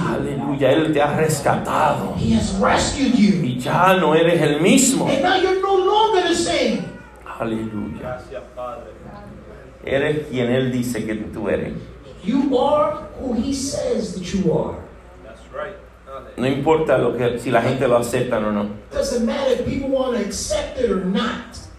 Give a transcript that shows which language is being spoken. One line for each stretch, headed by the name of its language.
Spanish: Aleluya, Él te ha rescatado.
English: He has rescued you.
Spanish: Y ya no eres el mismo.
English: And now you're no longer the same.
Spanish: Aleluya. Gracias, Padre. Eres quien Él dice que tú eres.
English: You are who He says that you are. That's right.
Spanish: No importa lo que si la gente lo aceptan o no.
English: Doesn't matter if people want to accept it or not.